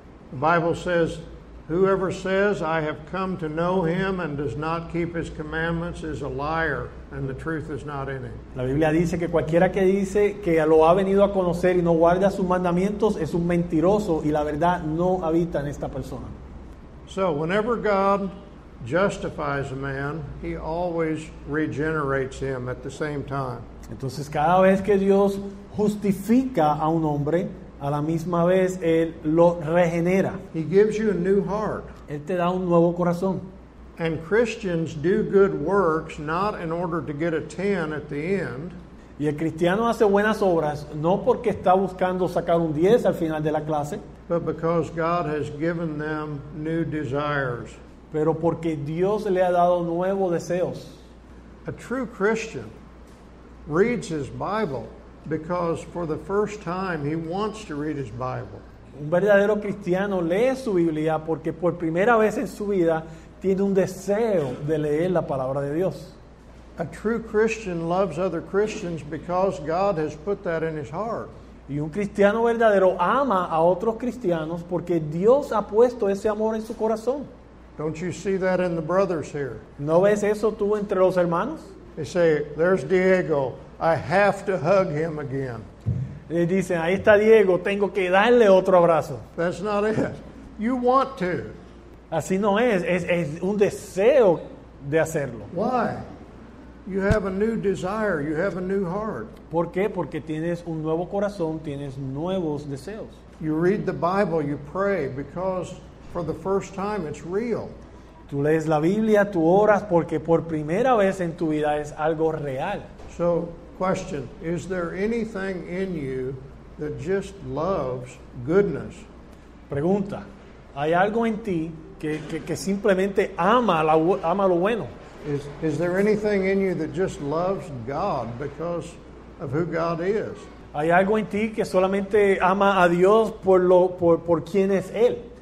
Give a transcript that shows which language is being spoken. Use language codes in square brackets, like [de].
[en] The Bible says, whoever says, I have come to know him and does not keep his commandments is a liar, and the truth is not in him. [es] La Biblia dice que cualquiera que dice que lo ha venido a conocer y no guarda sus mandamientos es un mentiroso y la verdad no habita en esta persona. [en] So, whenever God justifies a man, he always regenerates him at the same time. [es] Entonces, cada vez que Dios justifica a un hombre, a la misma vez Él lo regenera. [en] He gives you a new heart. [es] Él te da un nuevo corazón. [en] And Christians do good works not in order to get a 10 at the end. [es] Y el cristiano hace buenas obras no porque está buscando sacar un 10 al final de la clase, [en] but because God has given them new desires. [es] Pero porque Dios le ha dado nuevos deseos. [en] A true Christian reads his Bible because for the first time he wants to read his Bible. [es] Un verdadero cristiano lee su Biblia porque por primera vez en su vida tiene un deseo de leer la palabra de Dios. [en] A true Christian loves other Christians because God has put that in his heart. [es] Y un cristiano verdadero ama a otros cristianos porque Dios ha puesto ese amor en su corazón. [en] Don't you see that in the brothers here? [es] ¿No ves eso tú entre los hermanos? [en] They say, there's Diego. I have to hug him again. [es] Le dicen, ahí está Diego, tengo que darle otro abrazo. [en] That's not it. You want to. [es] Así no es. Es un deseo de hacerlo. [en] Why? You have a new desire. You have a new heart. [es] ¿Por qué? Porque tienes un nuevo corazón, tienes nuevos deseos. [en] You read the Bible, you pray, because for the first time it's real. [es] Tú lees la Biblia, tú oras, porque por primera vez en tu vida es algo real. [en] So, question, is there anything in you that just loves goodness? [es] Pregunta, ¿hay algo en ti que simplemente ama lo bueno? [en] Is there anything in you that just loves God because of who God is? [es] Hay algo en ti que solamente ama a Dios por lo por quién es él.